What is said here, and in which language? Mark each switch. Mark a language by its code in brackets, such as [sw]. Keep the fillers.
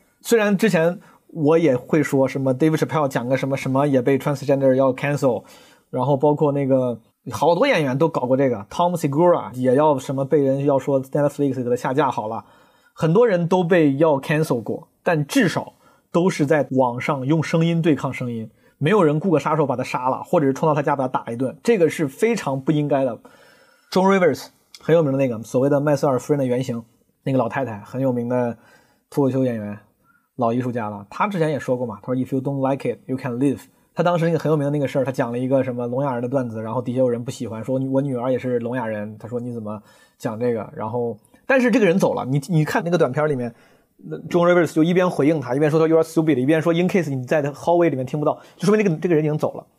[zh] 虽然之前我也会说什么 David Chappelle 讲个什么什么也被 transgender 要 cancel，然后包括那个好多演员都搞过这个，Tom Segura 也要什么被人要说 Netflix 给他下架，好了，很多人都被要 cancel 过，但至少都是在网上用声音对抗声音，没有人雇个杀手把他杀了，或者是冲到他家把他打一顿，这个是非常不应该的。 John Rivers。很有名的那个所谓的麦瑟尔夫人的原型，那个老太太很有名的脱口秀演员、老艺术家了。他之前也说过嘛，他说 [en] “If you don't like it, you can leave。 [zh] ”他当时那个很有名的那个事儿，他讲了一个什么聋哑人的段子，然后底下有人不喜欢，说我女儿也是聋哑人。他说你怎么讲这个？然后，但是这个人走了。你你看那个短片里面，John Rivers 就一边回应他，一边说他 [en] “You are stupid”，、 [zh] so、一边说 [en] “In case [zh] 你在 hallway 里面听不到”，就说明这个这个人已经走了。